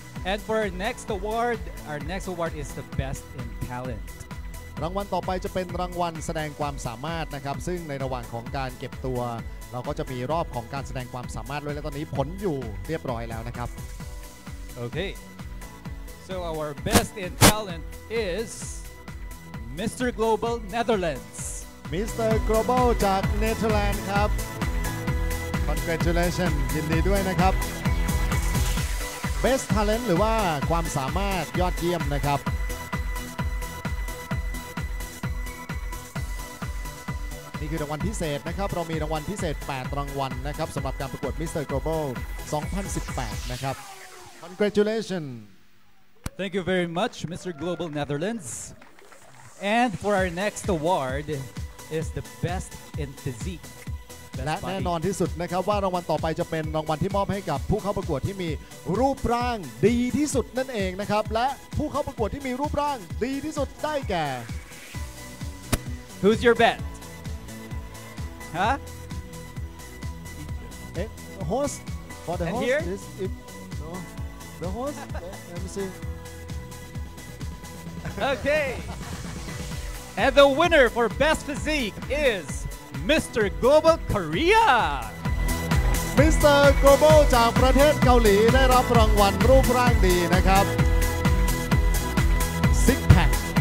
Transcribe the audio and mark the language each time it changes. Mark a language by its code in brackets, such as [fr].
[en] And for our next award, is the best in talent. [th] รางวัลต่อไปจะเป็นรางวัลแสดงความสามารถนะครับซึ่งในระหว่างของการเก็บตัวเราก็จะมีรอบของการแสดงความสามารถด้วยและตอนนี้ผลอยู่เรียบร้อยแล้วนะครับ [en] Okay. So our best in talent is Mr. Global Netherlands. Mr. [th] Global จาก Netherlands ครับ [en] Congratulations [th] ยินดีด้วยนะครับ [en] Best talent [th] หรือว่าความสามารถยอดเยี่ยมนะครับนี่คือรางวัลพิเศษนะครับเรามีรางวัลพิเศษ8รางวัลนะครับสำหรับการประกวด Mr. [en] Global 2018นะครับ Congratulations Thank you very much Mr. Global Netherlands And for our next award is the best in physique [th] best และแน่นอนที่สุดนะครับว่ารางวัลต่อไปจะเป็นรางวัลที่มอบให้กับผู้เข้าประกวดที่มีรูปร่างดีที่สุดนั่นเองนะครับและผู้เข้าประกวดที่มีรูปร่างดีที่สุดได้แก่ [en] Who's your bet? Huh? Host for the and host here? Is it, no, the host MC Okay And the winner for Best Physique is Mr. Global Korea. Mr. [th] Global จากประเทศเกาหลีได้รับรางวัลรูปร่างดีนะครับ [en] Six Pack